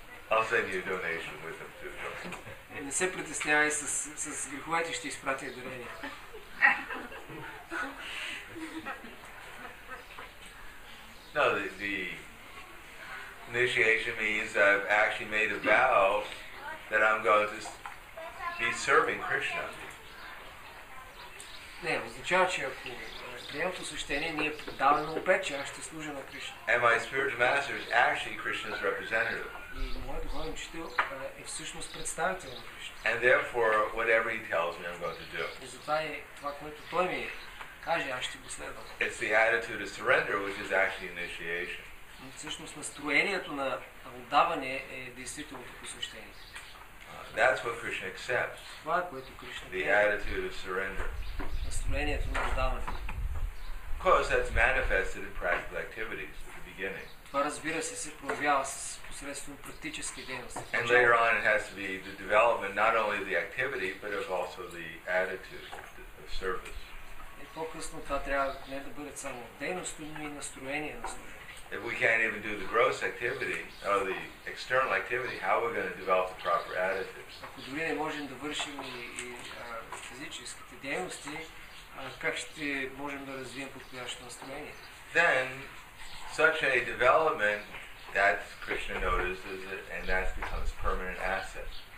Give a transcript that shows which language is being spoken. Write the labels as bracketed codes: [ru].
[en] I'll send you a donation with them too. [bg] Не се притеснявай с греховете, ще изпратя дарение. [en] No, the initiation means I've actually made a vow that I'm going to be serving Krishna. [bg] Не, означава, че ако приемам посвещение, ние даваме обет, че аз ще служа на Кришна. [en] And my spiritual master is actually Krishna's representative. [bg] И моят духовен учител е всъщност представител на Кришна. [en] And therefore, whatever he tells me, I'm going to do. [bg] И затова е това, което той ми каже, аз ще го следвам. [en] It's the attitude of surrender which is actually initiation. [bg] Всъщност настроението на отдаване е действителното посвещение. [en] That's what Krishna accepts. [bg] Това, което Кришна приема. [en] The attitude of surrender. [bg] Настроението на отдаване. [en] Of course, that's manifested in practical activities at the beginning. [bg] Това, разбира се, се проявява с посредством практически дейности. [en] And later on it has to be the development not only of the activity but of also the attitude of service. [bg] По-късно това трябва не да бъде само дейност, но и настроение на служение. [en] If we can't even do the gross activity or the external activity, how are we going to develop the proper attitude? [bg] Ако дори не можем да вършим и физическите дейности, как ще можем да развием подходящо настроение? [en] Then such a development that Krishna notices it and that becomes permanent asset.